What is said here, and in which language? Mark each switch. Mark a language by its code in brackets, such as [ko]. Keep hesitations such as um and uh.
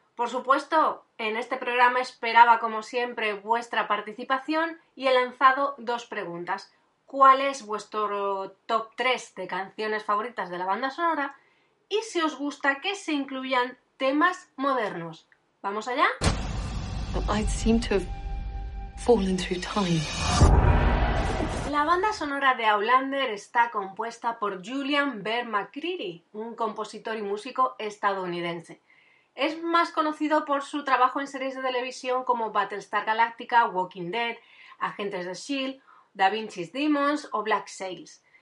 [es] Por supuesto, en este programa esperaba, como siempre, vuestra participación y he lanzado dos preguntas. ¿Cuál es vuestro top 3 de canciones favoritas de la banda sonora? Y si os gusta que se incluyan temas modernos. ¿Vamos allá? [en] I seem to have fallen through time. [es] La banda sonora de Outlander está compuesta por Julian Bear McCreary, un compositor y músico estadounidense. Es más conocido por su trabajo en series de televisión como Battlestar Galactica, Walking Dead, Agentes de Shield, Da Vinci's Demons o Black Sails.